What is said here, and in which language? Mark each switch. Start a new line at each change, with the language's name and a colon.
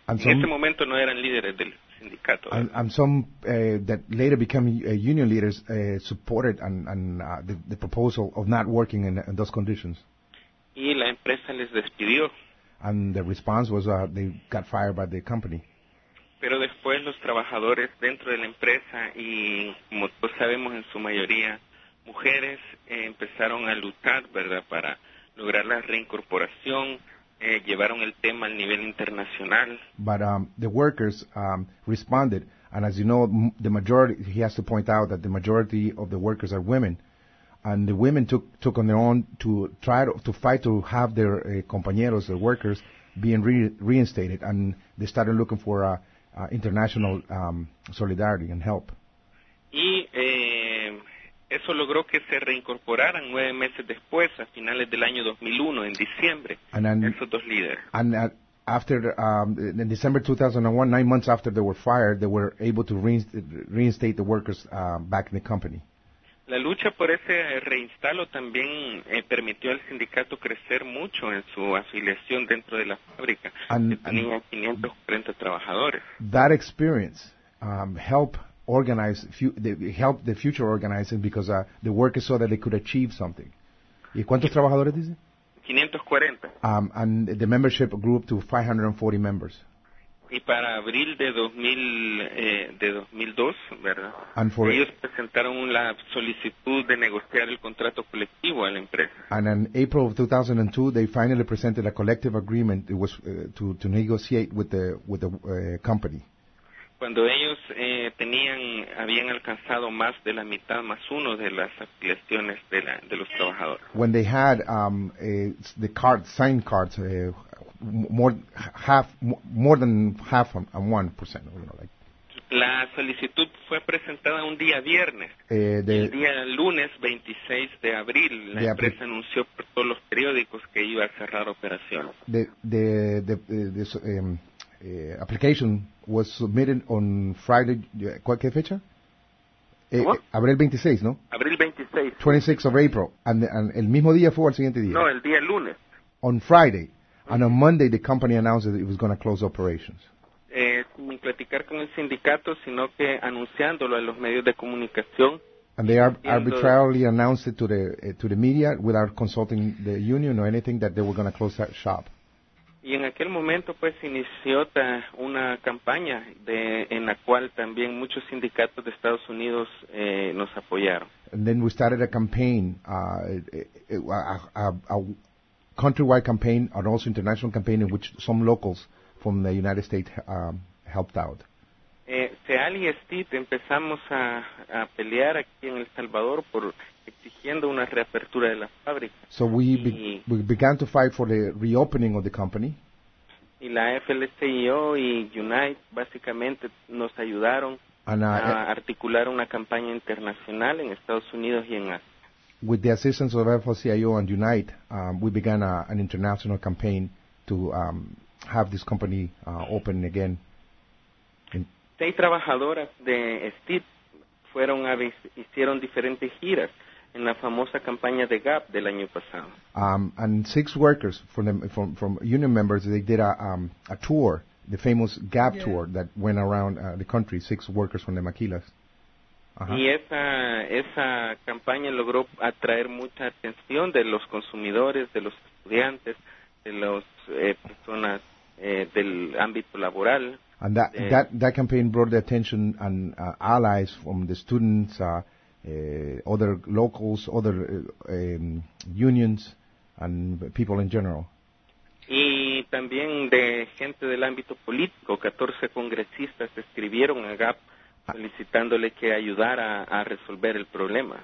Spanish: En ese momento no eran líderes del sindicato.
English: And some that later became union leaders supported the proposal of not working in those conditions.
Spanish: Y la empresa les despidió.
English: And the response was they got fired by the company.
Spanish: Pero después los trabajadores dentro de la empresa y, como todos sabemos, en su mayoría mujeres empezaron a luchar, ¿verdad?, para lograr la reincorporación, llevaron el tema al nivel internacional.
English: But the workers responded, and as you know, the majority, he has to point out that the majority of the workers are women, and the women took on their own to try to fight to have their compañeros, their workers, being reinstated, and they started looking for international solidarity and help.
Spanish: Eso logró que se reincorporaran 9 meses después, a finales del año 2001, en diciembre, esos dos líderes.
English: And after, in December 2001, 9 months after they were fired, they were able to reinstate the workers back in the company.
Spanish: La lucha por ese reinstalo también permitió al sindicato crecer mucho en su afiliación dentro de la fábrica, que tenía 540 trabajadores.
English: That experience helped the future organizing because the workers saw that they could achieve something.
Spanish: ¿Y cuántos trabajadores dice? 540.
English: And the membership grew up to 540 members.
Spanish: Y para abril de 2002, ¿verdad?
English: And for
Spanish: ellos presentaron la solicitud de negociar el contrato colectivo a la empresa.
English: And in April of 2002, they finally presented a collective agreement. It was to negotiate with the company.
Spanish: Cuando ellos habían alcanzado más de la mitad más uno de las afiliaciones de los trabajadores.
English: When they had the cards, signed cards, more than half on 1%,
Spanish: La solicitud fue presentada un día viernes. El día lunes 26 de abril, la empresa anunció por todos los periódicos que iba a cerrar operaciones.
English: Application was submitted on Friday.
Spanish: ¿Cuál fecha? Abril 26, ¿no? Abril 26.
English: 26 of April. And
Spanish: el mismo día fue o el siguiente día. No, el día lunes.
English: On Friday. Mm-hmm. And on Monday, the company announced that it was going to close operations.
Spanish: Sin platicar con el sindicato, sino que anunciándolo a los medios de comunicación.
English: And they arbitrarily announced it to the media without consulting the union or anything that they were going to close that shop.
Spanish: Y en aquel momento, pues, inició una campaña en la cual también muchos sindicatos de Estados Unidos nos apoyaron.
English: And then we started a campaign, a countrywide campaign, and also international campaign, in which some locals from the United States helped out.
Spanish: Seal y Steve empezamos a pelear aquí en El Salvador por exigiendo una reapertura de la fábrica.
English: So we began to fight for the reopening of the company.
Spanish: y la FLCIO y UNITE básicamente nos ayudaron a articular una campaña internacional en Estados Unidos y en Asia.
English: With the assistance of FLCIO and UNITE, we began an international campaign to have this company open again.
Spanish: Seis trabajadoras de STIP fueron a hicieron diferentes giras en la famosa campaña de GAP del año pasado.
English: And six workers from union members, they did a tour, the famous GAP tour that went around the country, six workers from the Maquilas.
Spanish: Y esa campaña logró atraer mucha atención de los consumidores, de los estudiantes, de las personas del ámbito laboral.
English: And that campaign brought the attention and allies from the students, other locals, other unions, and people in general.
Spanish: Y también de gente del ámbito político. 14 congresistas escribieron a GAP solicitándole que ayudara a resolver el problema.